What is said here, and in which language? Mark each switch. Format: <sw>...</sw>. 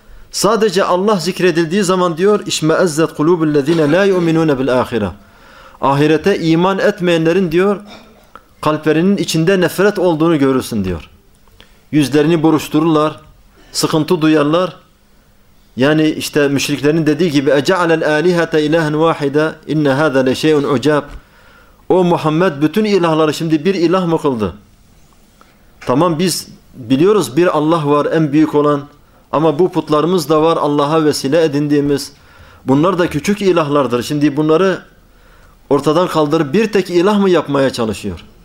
<tr>Sadece Allah zikredildiği zaman diyor</tr> <ar>اِشْمَأَزَّتْ قُلُوبُ الَّذ۪ينَ لَا يُؤْمِنُونَ بِالْآخِرَةِ.</ar> <tr>Ahirete iman etmeyenlerin diyor kalplerinin içinde nefret olduğunu görürsün diyor. Yüzlerini buruştururlar, sıkıntı duyarlar. Yani işte müşriklerin dediği gibi</tr> <ar>اَجَعَلَ الْآلِهَةَ اِلَٰهًا وَاحِدًا اِنَّ هَذَا لَشَيْءٌ عُجَابٌ.</ar> <tr>O Muhammed bütün ilahları şimdi bir ilah mı kıldı? Tamam biz biliyoruz bir Allah var en büyük olan. Ama bu putlarımız da var Allah'a vesile edindiğimiz. Bunlar da küçük ilahlardır. Şimdi bunları ortadan kaldırıp bir tek ilah mı yapmaya çalışıyor?</tr>